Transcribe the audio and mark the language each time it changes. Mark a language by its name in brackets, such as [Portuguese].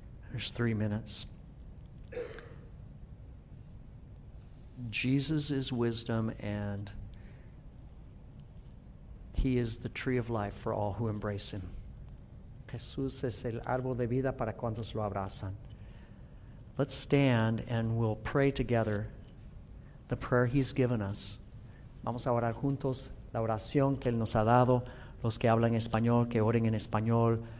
[English] There's 3 minutes. Jesus is wisdom, and he is the tree of life for all who embrace him. [Spanish] Jesús es el árbol de vida para cuantos lo abrazan. [English] Let's stand and we'll pray together the prayer he's given us. [Spanish] Vamos a orar juntos la oración que él nos ha dado. Los que hablan español, que oren en español.